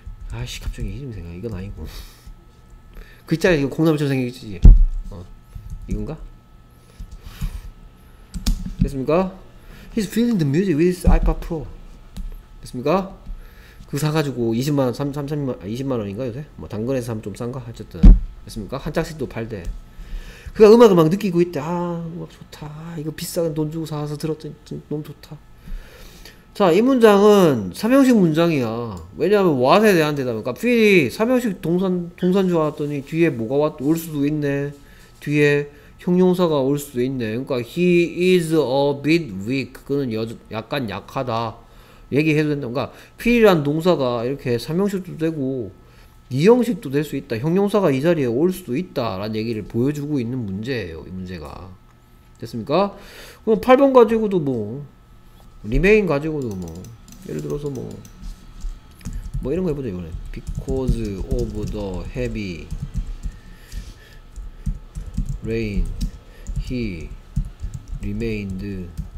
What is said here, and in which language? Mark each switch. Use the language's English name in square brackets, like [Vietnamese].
[Korean] 아이씨 갑자기 이름 생각 이건 아니고 그 있잖아 이거 콩나물처럼 생겼지 이건가? 됐습니까? [English] He's feeling the music with his iPad Pro. [Korean] 됐습니까? 그 사가지고 20만원인가 요새? 뭐 당근에서 사면 좀 싼가? 어쨌든 됐습니까? 한 짝씩도 팔대. 그가 음악을 막 느끼고 있대. 아 음악 좋다. 아, 이거 비싼 돈 주고 사와서 들었더니 너무 좋다. 자, 이 문장은 3형식 문장이야. 왜냐하면 what에 대한 대답은 그러니까 3형식 동사인 줄 알았더니 뒤에 뭐가 올 수도 있네. 뒤에 형용사가 올 수도 있네. 그러니까 [English] he is a bit weak. [Korean] 그는 약간 약하다 얘기해도 된다. 그러니까 필이라는 동사가 이렇게 3형식도 되고 이 형식도 될 수 있다. 형용사가 이 자리에 올 수도 있다. 라는 얘기를 보여주고 있는 문제예요. 이 문제가. 됐습니까? 그럼 8번 가지고도 뭐, remain 가지고도 뭐, 예를 들어서 뭐, 뭐 이런 거 해보자, 이번에. because [English] of the heavy rain, he remained.